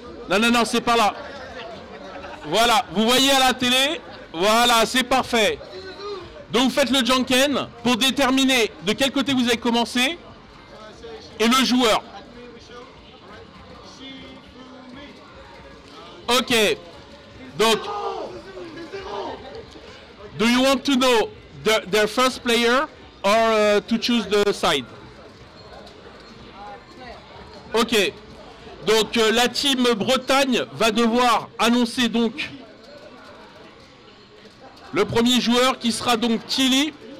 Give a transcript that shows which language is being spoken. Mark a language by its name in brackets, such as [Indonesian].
[French] Non, c'est par là. Voilà, vous voyez à la télé. Voilà, c'est parfait. Donc vous faites le janken pour déterminer de quel côté vous avez commencé et le joueur. [English] Ok, donc do you want to know their first player or to choose the side? [French] Ok, donc la team Bretagne va devoir annoncer donc le premier joueur qui sera donc Tilly.